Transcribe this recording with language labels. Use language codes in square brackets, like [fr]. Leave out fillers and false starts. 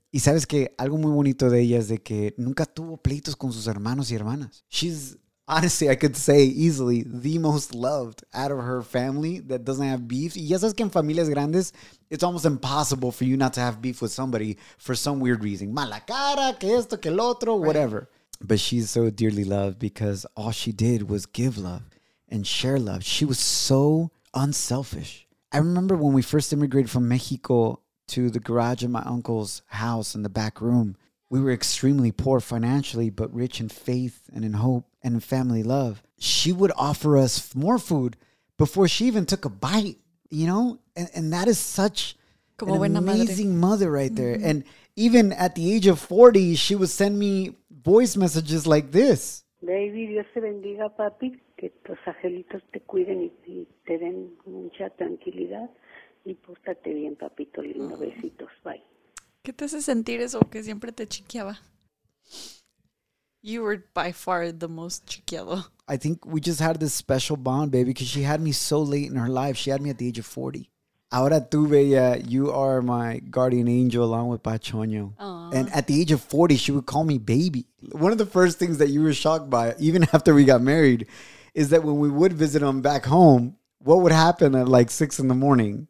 [es] Y sabes que algo muy bonito de ella es de que nunca tuvo pleitos con sus hermanos y hermanas. [en] She's, honestly, I could say easily, the most loved out of her family that doesn't have beef. [es] Y ya sabes que en familias grandes, [en] it's almost impossible for you not to have beef with somebody for some weird reason. [es] Mala cara, que esto, que el otro, [en] whatever. Right. But she's so dearly loved because all she did was give love and share love. She was so unselfish. I remember when we first immigrated from Mexico to the garage of my uncle's house in the back room. We were extremely poor financially, but rich in faith and in hope and in family love. She would offer us more food before she even took a bite, you know? And that is such [es] como [en] an amazing mother right there. Mm-hmm. And even at the age of 40, she would send me voice messages like this. [es] Baby, Dios te bendiga, papi. Que tus angelitos te cuiden y te den mucha tranquilidad. Y pórtate bien, papito lindo. Besitos. Bye. ¿Qué te hace sentir eso que siempre te chiqueaba? [en] You were by far the most chiqueado. I think we just had this special bond, baby, because she had me so late in her life. She had me at the age of 40. [es] Ahora tú, bella, [en] you are my guardian angel along with Pachoño. Aww. And at the age of 40, she would call me baby. One of the first things that you were shocked by, even after we got married, is that when we would visit them back home, what would happen at like 6 in the morning?